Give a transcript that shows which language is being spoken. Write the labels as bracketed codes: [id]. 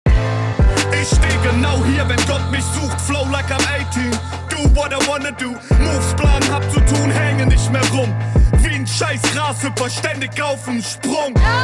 [de] ich steh genau hier, wenn Gott mich sucht. [en] Flow like I'm 18, do what I wanna do. [de] Moves, Plan, hab zu tun, hänge nicht mehr rum. Wie ein scheiß Grashüpfer, ständig auf dem Sprung.